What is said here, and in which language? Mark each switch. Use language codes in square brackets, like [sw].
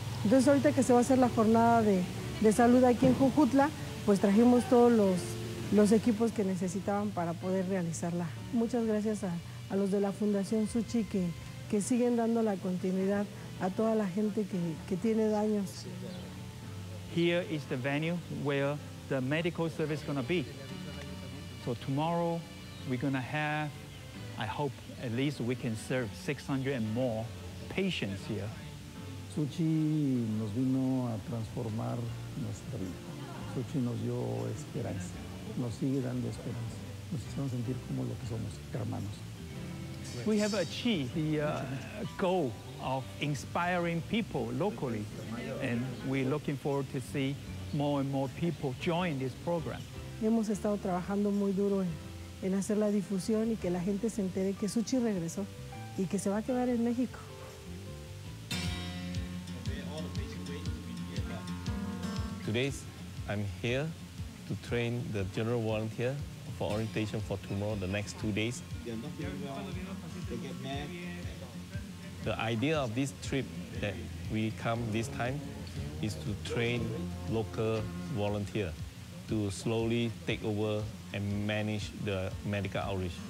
[es] Entonces ahorita que se va a hacer la jornada de salud aquí en Jujutla, pues trajimos todos los equipos que necesitaban para poder realizarla. Muchas gracias a los de la Fundación Tzu Chi que siguen dando la continuidad a toda la gente que tiene daños. [en] Here is the venue where the medical service is going to be. So tomorrow we're gonna have, I hope, at least we can serve 600 and more patients here. [es] Tzu Chi nos vino a transformar nuestra vida. Tzu Chi nos dio esperanza. Nos sigue dando esperanza. Nos hicieron sentir como lo que somos, hermanos. [en] We have achieved the goal of inspiring people locally, and we're looking forward to see more and more people join this program. [es] Hemos estado trabajando muy duro en hacer la difusión y que la gente se entere que Tzu Chi regresó y que se va a quedar en México. [en] Today I'm here to train the general volunteer for orientation for tomorrow, the next 2 days. The idea of this trip that we come this time is to train local volunteer to slowly take over and manage the medical outreach.